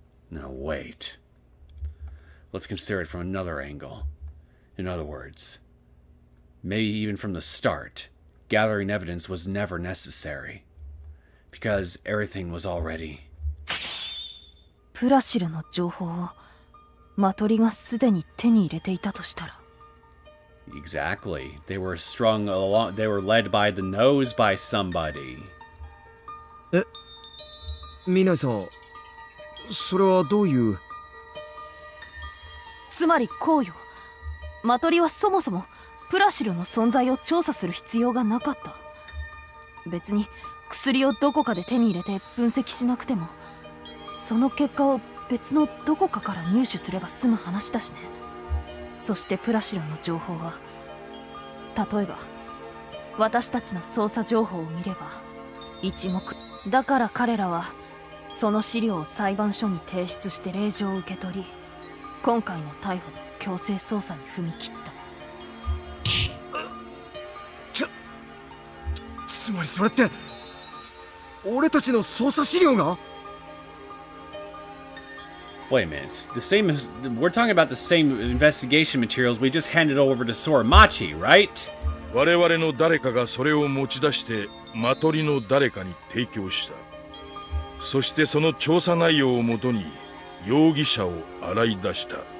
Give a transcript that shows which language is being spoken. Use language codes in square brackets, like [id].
[en] Now wait. Let's consider it from another angle. In other words, maybe even from the start,Gathering evidence was never necessary, because everything was already. [ja] プラシルの情報をマトリがすでに手に入れていたとしたら。 [en] Exactly. They were strung along. They were led by the nose by somebody. [ja] え、ミナさん、それはどういう。つまりこうよ。マトリはそもそも。プラシルの存在を調査する必要がなかった。別に薬をどこかで手に入れて分析しなくても、その結果を別のどこかから入手すれば済む話だしね。そしてプラシルの情報は、例えば私たちの捜査情報を見れば一目。だから彼らはその資料を裁判所に提出して令状を受け取り、今回の逮捕と強制捜査に踏み切った。つまりそれって俺たちの捜査資料が。 [en] Wait a minute. The same as we're talking about the same investigation materials we just handed over to Soramachi, right? [ja] 我々の誰かがそれを持ち出してマトリの誰かに提供した。そしてその調査内容をもとに容疑者を洗い出した。